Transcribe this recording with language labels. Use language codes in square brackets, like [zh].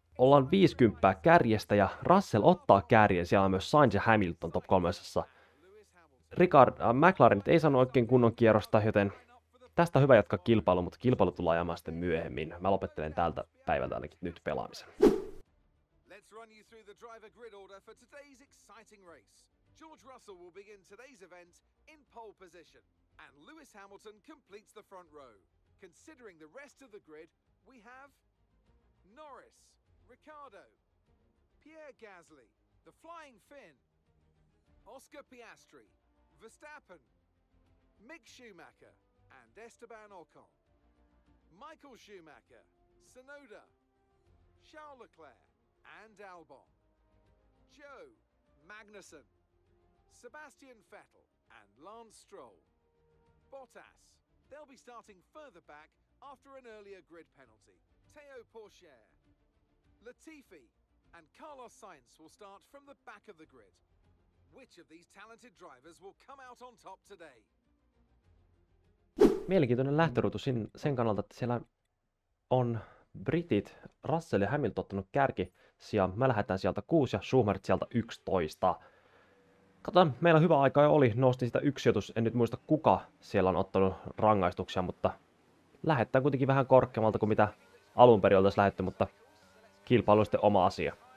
[fi] Ollaan 50 kärjestä ja Russell ottaa kärjen. Siellä on myös Sainz ja Hamilton top 3:ssa. McLaren ei saanut oikein kunnon kierrosta, joten tästä on hyvä jatkaa kilpailu, mutta kilpailu tullaan jäämään sitten myöhemmin. Mä lopettelen tältä päivältä ainakin nyt pelaamisen. [en] Let's run you through the driver grid order for today's exciting race. George Russell will begin today's event in pole position and Lewis Hamilton completes the front row. Considering the rest of the grid, we have Norris, Ricciardo, Pierre Gasly, the Flying Finn, Oscar Piastri, Verstappen, Mick Schumacher and Esteban Ocon, Michael Schumacher, Tsunoda, Charles Leclerc and Albon, Joe Magnussen, Sebastian Vettel and Lance Stroll, Bottas. They'll be starting further back after an earlier grid penalty. Teo Pourchaire, Latifi and Carlos Sainz will start from the back of the grid. Which of these talented drivers will come out on top today? [fi] Mielenkiintoinen lähtöruutu sen kannalta, että siellä on britit, Russell ja Hamilton ottanut kärkisiä. Mä lähdetään sieltä 6 ja Schumacher sieltä 11. Katsotaan, meillä hyvä aika jo oli, nostin sitä yksi sijoitus. En nyt muista kuka siellä on ottanut rangaistuksia, mutta lähettää kuitenkin vähän korkeammalta kuin mitä alun perin oltaisiin lähdetty, mutta kilpailu on sitten oma asia.